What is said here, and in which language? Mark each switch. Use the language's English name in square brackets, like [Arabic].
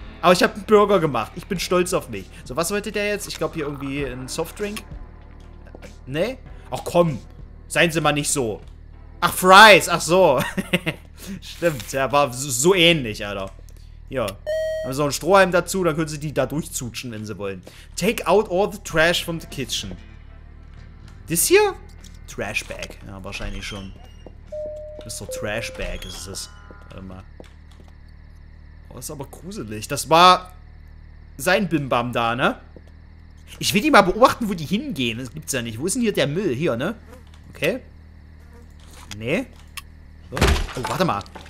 [German] Aber ich habe einen Burger gemacht. Ich bin stolz auf mich. So, was wollte der jetzt? Ich glaube hier irgendwie ein Softdrink. Ne? Ach komm. Seien Sie mal nicht so. Ach, Fries. Ach so. Stimmt. Ja, war so ähnlich, Alter. Ja. Haben Sie noch einen Strohhalm dazu? Dann können Sie die da durchzutschen, wenn Sie wollen. [English] Take out all the trash from the kitchen. [German] Das hier? Trashbag. Ja, wahrscheinlich schon. Mr. Trashbag ist es. Warte mal. Das ist aber gruselig. Das war sein Bimbam da, ne? Ich will die mal beobachten, wo die hingehen. Das gibt's ja nicht. Wo ist denn hier der Müll? Hier, ne? Okay. Nee. So. Oh, warte mal.